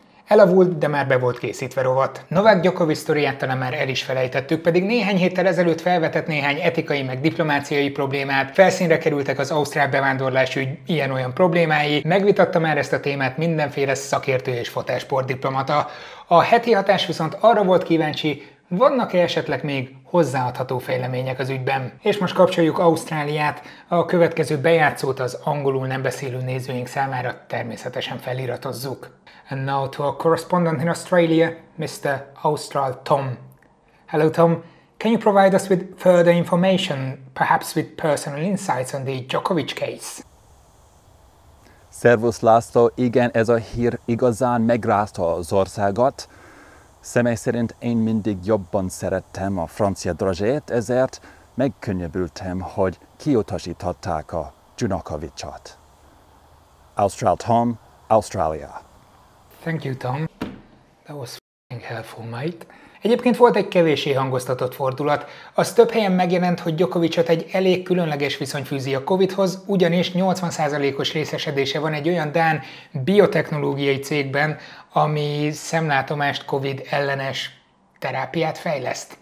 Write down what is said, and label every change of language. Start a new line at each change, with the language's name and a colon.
Hungarian: Elavult, de már be volt készítve rovat. Novák Djokovic sztoriát talán már el is felejtettük, pedig néhány héttel ezelőtt felvetett néhány etikai meg diplomáciai problémát, felszínre kerültek az ausztrál bevándorlásügy ilyen-olyan problémái, megvitatta már ezt a témát mindenféle szakértő és fotelsportdiplomata. A heti hatás viszont arra volt kíváncsi, vannak-e esetleg még hozzáadható fejlemények az ügyben. És most kapcsoljuk Ausztráliát, a következő bejátszót az angolul nem beszélő nézőink számára természetesen feliratozzuk.
English: And now to our correspondent in Australia, Mr. Austral Tom. Hello Tom, can you provide us with further information, perhaps with personal insights on the Djokovic case?
Hungarian: Servus László, igen, ez a hír igazán megrázta az országot. Személy szerint én mindig jobban szerettem a francia drazsét, ezért megkönnyebbültem, hogy kiutasították a Djokovicot.
English: Austral Tom, Australia. Thank you, Tom. That was f***ing helpful, mate.
Hungarian: Egyébként volt egy kevéssé hangoztatott fordulat. Az több helyen megjelent, hogy Djokovicot egy elég különleges viszony fűzi a Covid-hoz, ugyanis 80%-os részesedése van egy olyan dán biotechnológiai cégben, ami szemlátomást Covid ellenes terápiát fejleszt.